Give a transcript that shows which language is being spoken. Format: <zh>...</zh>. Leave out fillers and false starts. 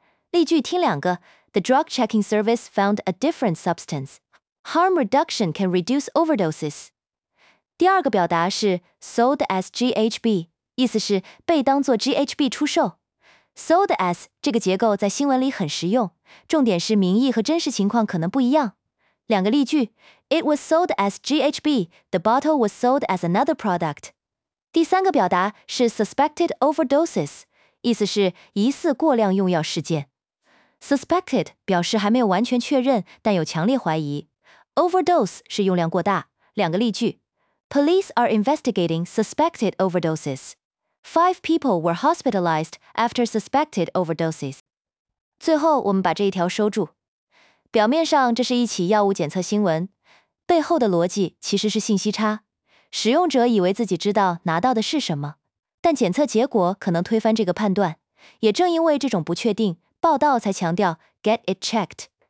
<zh>例句听两个，</zh> <en>the drug checking service found a different substance， harm reduction can reduce overdoses。</en> <zh>第二个表达是 sold as GHB， 意思是被当作 GHB 出售。 sold as 这个结构在新闻里很实用，重点是名义和真实情况可能不一样。两个例句，</zh> <en>It was sold as GHB， The bottle was sold as another product。</en> <zh>第三个表达是 suspected overdoses， 意思是疑似过量用药事件。 suspected 表示还没有完全确认，但有强烈怀疑。 overdose 是用量过大。两个例句，</zh> <en>Police are investigating suspected overdoses. Five people were hospitalized after suspected overdoses.</en> <zh>最后，我们把这一条收住。表面上这是一起药物检测新闻，背后的逻辑其实是信息差。使用者以为自己知道拿到的是什么，但检测结果可能推翻这个判断。也正因为这种不确定，报道才强调</zh> <en>get it checked。</en>